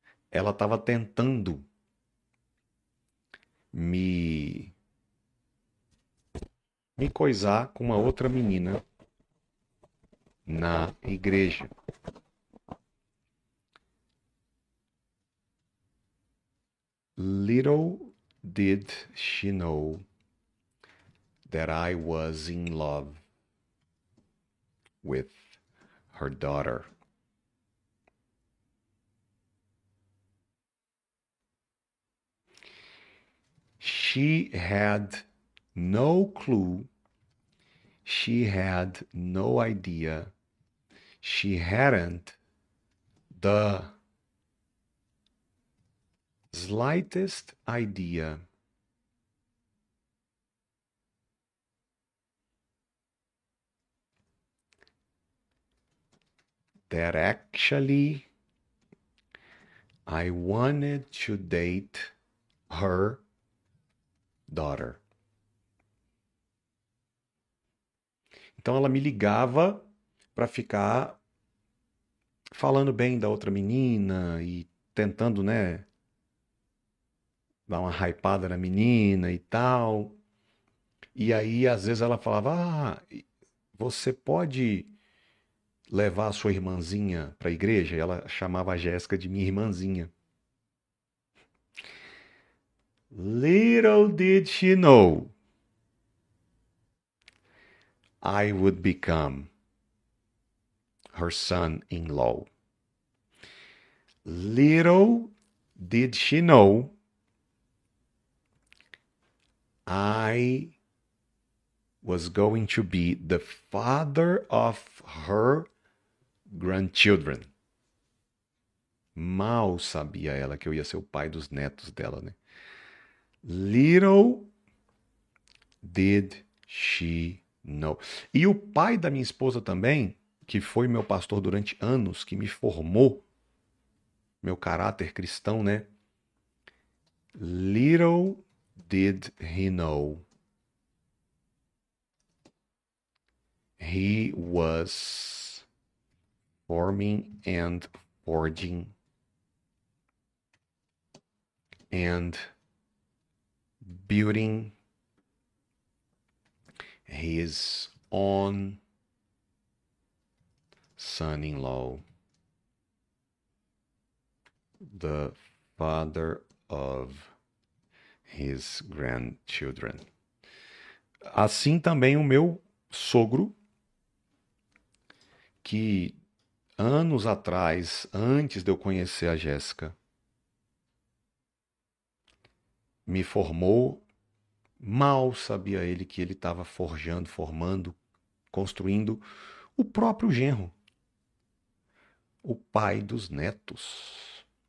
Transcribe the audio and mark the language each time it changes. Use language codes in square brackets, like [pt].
[pt] Ela estava tentando me coisar com uma outra menina na igreja. [en] Little did she know that I was in love with her daughter. She had no clue. She had no idea. She hadn't the slightest idea that actually I wanted to date her daughter. [pt] Então ela me ligava para ficar falando bem da outra menina e tentando, né, dar uma hypada na menina e tal. E aí, às vezes, ela falava: ah, você pode levar a sua irmãzinha para a igreja? E ela chamava a Jéssica de minha irmãzinha. [en] Little did she know I would become her son-in-law. Little did she know I was going to be the father of her grandchildren. [pt] Mal sabia ela que eu ia ser o pai dos netos dela, né? [en] Little did she know. [pt] E o pai da minha esposa também, que foi meu pastor durante anos, que me formou, meu caráter cristão, né? [en] Little did he know he was forming and forging and building his own son-in-law, the father of his grandchildren. [pt] Assim também o meu sogro, que anos atrás, antes de eu conhecer a Jéssica, me formou. Mal sabia ele que ele estava forjando, formando, construindo o próprio genro, o pai dos netos.